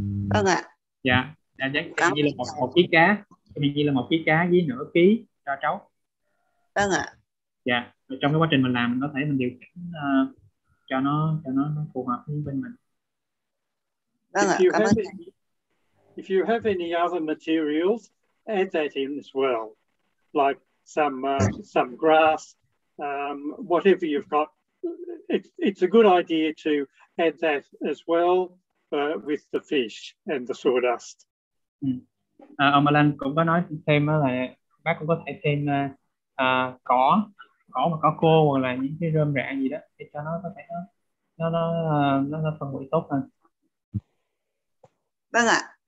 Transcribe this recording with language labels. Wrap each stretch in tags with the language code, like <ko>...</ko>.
<vi>Vâng ạ. Dạ. Dạ, dạ. Cảm như là một ký cá, mình như là một ký cá với nửa ký cho trấu. Vâng ạ. Dạ. Rồi trong cái quá trình mình làm mình có thể mình điều chỉnh cho nó phù hợp với bên mình. Vâng ạ. Cảm ơn.</vi> <en>If you have any other materials, add that in as well, like some grass, whatever you've got. It's a good idea to add that as well, with the fish and the sawdust.</en> <vi>Ông Alan cũng có nói thêm là bác cũng có thể thêm cỏ và cỏ khô hoặc là những cái rơm rạ gì đó để cho nó có thể nó phân hủy tốt hơn. Vâng ạ.</vi>